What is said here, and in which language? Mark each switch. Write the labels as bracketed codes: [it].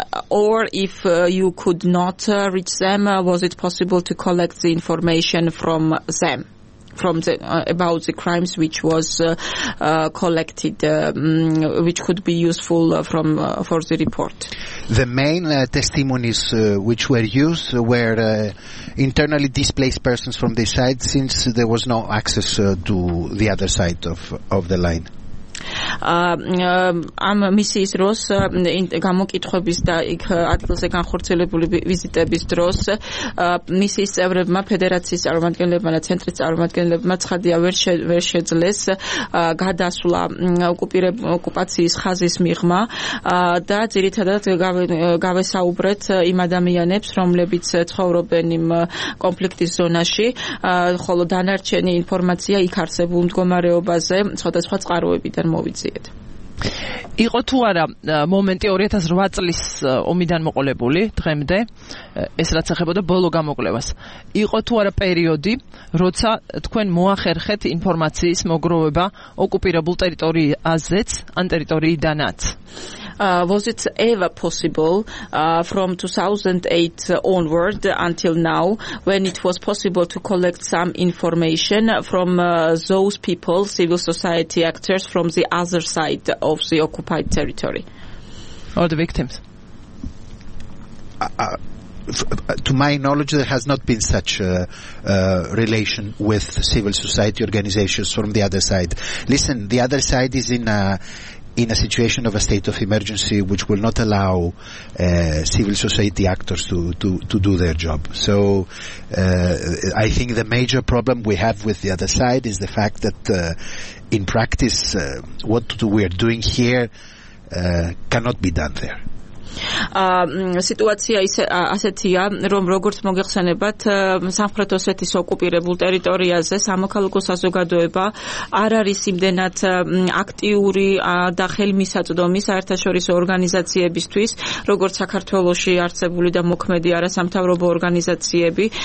[en] or if you could not reach them was it possible to collect the information from them from the about the crimes which was collected which could be useful from for the report the main testimonies which were used were internally displaced persons from this side since there was no access to the other side of the line [ka] ამ მისიის დროს გამოკითხების და იქ ადგილზე განხორციელებული ვიზიტების დროს მისიის წევრებმა ფედერაციის წარმომადგენლებმა და ცენტრის წარმომადგენლებმა ცხადია ვერ შეძლეს გადასვლა ოკუპაციის ხაზის მიღმა და ძირითადად გავესაუბრეთ იმ ადამიანებს რომლებიც ცხოვრობენ იმ კონფლიქტის ზონაში ხოლო დანარჩენი ინფორმაცია იქ არსებულ მდგომარეობაზე სხვადასხვა წყაროებიდან მოვიციეთ. იყო თუ არა მომენტი 2008 წლის ომიდან მოყოლებული დღემდე ეს რაც ახებოდა ბოლო გამოკვლევას. იყო თუ არა პერიოდი, როცა თქვენ მოახერხეთ ინფორმაციის მოგროვება ოკუპირებულ ტერიტორიაზეც, ან ტერიტორიიდანაც. [en] Was it ever possible from 2008 onward until now when it was possible to collect some information from those people, civil society actors from the other side of the occupied territory? Or the victims? To my knowledge, there has not been such a relation with civil society organizations from the other side. Listen, the other side is in a in a situation of a state of emergency, which will not allow civil society actors to do their job. So I think the major problem we have with the other side is the fact that in practice what we are doing here cannot be done there. [ka] Ситуация ისე ასეთია, რომ როგორც მოგეხსენებათ, სამხრეთ ოსეთის ოკუპირებულ ტერიტორიაზე სამოქალაქო საზოგადოება არ არის იმდენად აქტიური და ხელმისაწვდომი საერთაშორისო ორგანიზაციებისთვის, როგორც საქართველოსი არსებული და მოქმედი არასამთავრობო ორგანიზაციები.